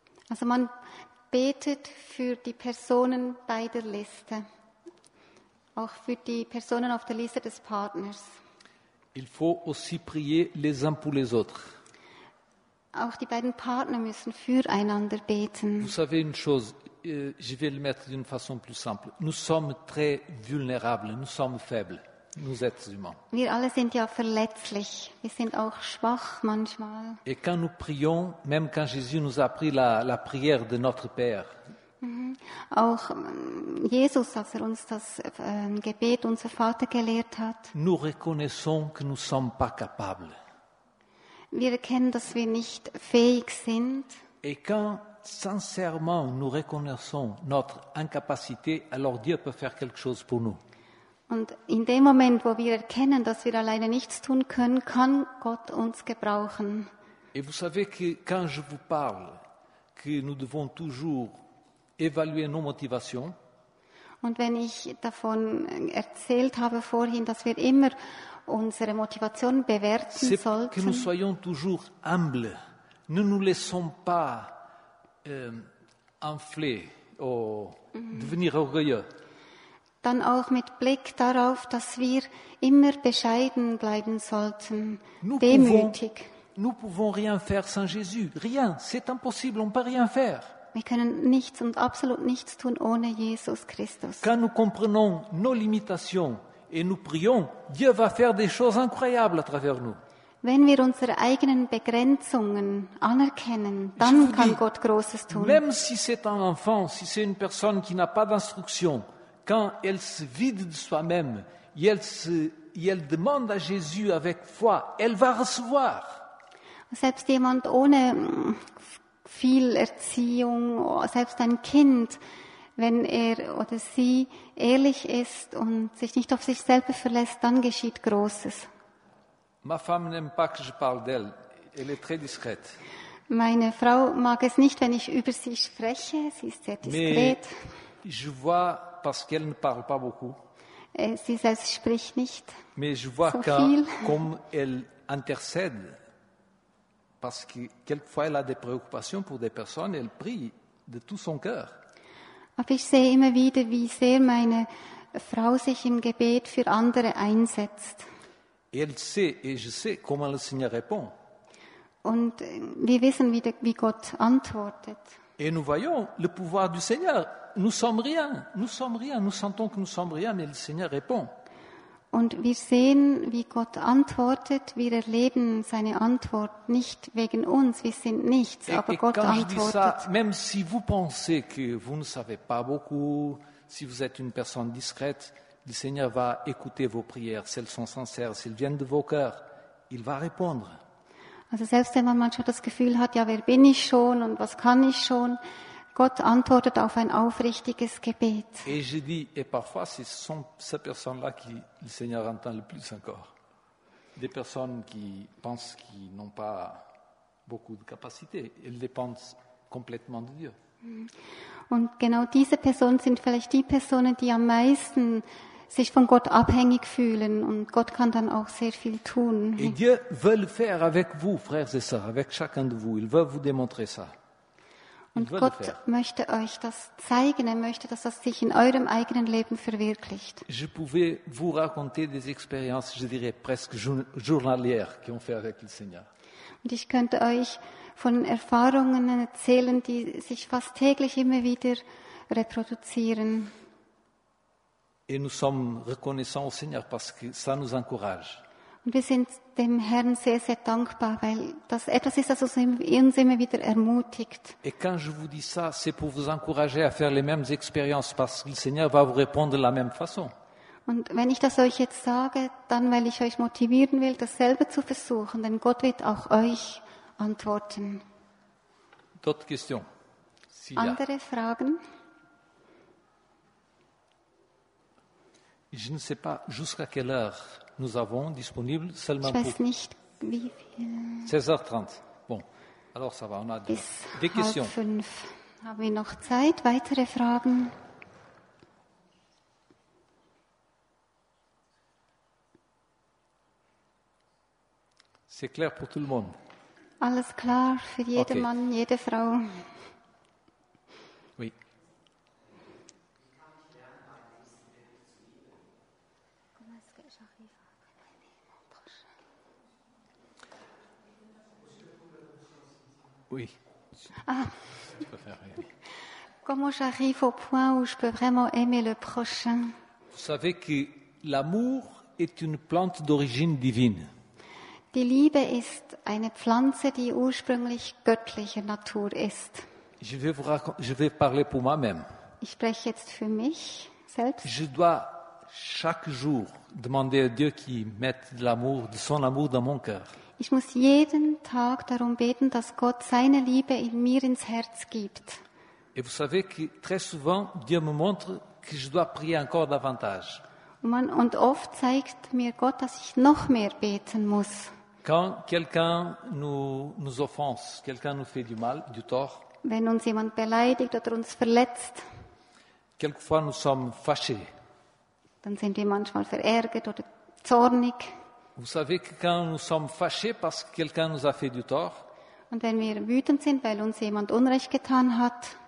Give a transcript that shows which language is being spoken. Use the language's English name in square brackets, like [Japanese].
[German] Also man betet für die Personen beider Liste, auch für die Personen auf der Liste des Partners. [French] Il faut aussi prier les uns pour les autres. [German] Auch die beiden Partner müssen füreinander beten. [French] Vous savez une chose. Je vais le mettre d'une façon plus simple. Nous sommes très vulnérables, nous sommes faibles, nous êtres humains. [German] Wir alle sind ja verletzlich. Wir sind auch schwach manchmal. [French] Et quand nous prions, même quand Jésus nous a appris la prière de notre Père, [German] auch Jesus, als er uns das Gebet unser Vater gelehrt hat, [French] nous reconnaissons que nous ne sommes pas capables. [German] Wir erkennen, dass wir nicht fähig sind. [French] Et quand sincèrement, nous reconnaissons notre incapacité, alors Dieu peut faire quelque chose pour nous. [German] Und in dem Moment, wo wir erkennen, dass wir alleine nichts tun können, kann Gott uns gebrauchen. [French] Et vous savez que quand je vous parle, que nous devons toujours évaluer nos motivations. [German] Und wenn ich davon erzählt habe vorhin, dass wir immer unsere Motivation bewerten [French] c'est [German] sollten. [French] Que nous soyons toujours humbles. Ne nous laissons pas enfler ou devenir orgueilleux. [German] Dann auch mit Blick darauf, dass wir immer bescheiden bleiben sollten, [French] nous [German] demütig. [French] Nous pouvons rien faire sans Jésus. Rien, c'est impossible, on peut rien faire. [German] Wir können nichts und absolut nichts tun ohne Jesus Christus. [French] Quand nous comprenons nos limitations et nous prions, Dieu va faire des choses incroyables à travers nous. [German] Wenn wir unsere eigenen Begrenzungen anerkennen, dann kann Gott Großes tun. [French] Même si c'est un enfant, si c'est une personne qui n'a pas d'instruction, quand elle se vide de soi-même et elle demande à Jésus avec foi, elle va recevoir. [German] Selbst jemand ohne viel Erziehung, selbst ein Kind, wenn er oder sie ehrlich ist und sich nicht auf sich selber verlässt, dann geschieht Großes. [French] Ma femme n'aime pas que je parle d'elle. Elle est très discrète. [German] Meine Frau mag es nicht, wenn ich über sie spreche. Sie ist sehr diskret. [French] Mais je vois parce qu'elle ne parle pas beaucoup. [German] Sie selbst spricht nicht. [French] Mais je vois [German] so viel. [French] Comme elle intercède parce que quelquefois elle a des préoccupations pour des personnes, elle prie de tout son cœur. [German] Aber ich sehe immer wieder, wie sehr meine Frau sich im Gebet für andere einsetzt. [French] Et elle sait, et je sais comment le Seigneur répond. [German] Und wir wissen, wie Gott antwortet. [French] Et nous voyons le pouvoir du Seigneur. Nous sommes rien. Nous sommes rien. Nous sentons que nous sommes rien, mais le Seigneur répond. [German] Und wir sehen, wie Gott antwortet, wir erleben seine Antwort nicht wegen uns, wir sind nichts, aber Gott antwortet. [French] Ça, même si vous pensez que vous ne savez pas beaucoup, si vous êtes une personne discrète, le Seigneur va écouter vos prières, si elles sont sincères, si elles viennent de vos cœurs, il va répondre. [German] Also selbst wenn man manchmal das Gefühl hat, ja, wer bin ich schon und was kann ich schon, Gott antwortet auf ein aufrichtiges Gebet. [French] Et je dis, et parfois c'est cette personne-là qui le Seigneur entend le plus encore. Des personnes qui pensent qu'ils n'ont pas beaucoup de capacités, elles dépendent complètement de Dieu. [German] Und genau diese Personen sind vielleicht die Personen, die am meisten sich von Gott abhängig fühlen und Gott kann dann auch sehr viel tun. [French] Et Dieu veut le faire avec vous, frères et sœurs, avec chacun de vous. Il veut vous démontrer ça. [German] Und Gott möchte euch das zeigen, er möchte, dass das sich in eurem eigenen Leben verwirklicht. [French] Je pouvais vous raconter des expériences, je dirais presque journalières, qui ont fait avec le Seigneur. [German] Und ich könnte euch von Erfahrungen erzählen, die sich fast täglich immer wieder reproduzieren. [French] Et nous sommes reconnaissants au Seigneur parce que ça nous encourage. [German] Und wir sind dem Herrn sehr, sehr dankbar, weil das etwas ist, das uns immer wieder ermutigt. [French] Et quand je vous dis ça, c'est pour vous encourager à faire les mêmes expériences, parce que le Seigneur va vous répondre de la même façon. [German] Und wenn ich das euch jetzt sage, dann weil ich euch motivieren will, dasselbe zu versuchen, denn Gott wird auch euch antworten. [French] D'autres questions? [German] Si andere ja. Fragen? [French] Je ne sais pas jusqu'à quelle heure. Nous avons disponible seulement [German] pour nicht, wie viel... [French] 16h30. Bon, alors ça va, on a des questions. [German] Bis 5 haben wir noch Zeit. Weitere Fragen? [French] C'est clair pour tout le monde. [German] Alles klar für jeden okay. Mann, jede Frau. [French] Oui. Ah. Comment j'arrive au point où je peux vraiment aimer le prochain? Vous savez que l'amour est une plante d'origine divine. [German] Die Liebe ist eine Pflanze, die ursprünglich göttlicher Natur ist. [French] Je vais parler pour moi-même. [German] Ich spreche jetzt für mich selbst. [French] Je dois chaque jour demander à Dieu qu'il mette de l'amour, de son amour dans mon cœur. [German] Ich muss jeden Tag darum beten, dass Gott seine Liebe in mir ins Herz gibt. [French] Et vous savez que très souvent Dieu me montre que je dois prier encore davantage. [German] Und oft zeigt mir Gott, dass ich noch mehr beten muss. [French] Quand quelqu'un nous offense, quelqu'un nous fait du mal, du tort. [German] Wenn uns jemand beleidigt oder uns verletzt. [French] Quelquefois nous sommes fâchés. [German] Dann sind wir manchmal verärgert oder zornig. [French] Vous savez que quand nous sommes fâchés parce que quelqu'un nous a fait du tort, [German] und wenn wir wütend sind, weil uns jemand Unrecht getan hat,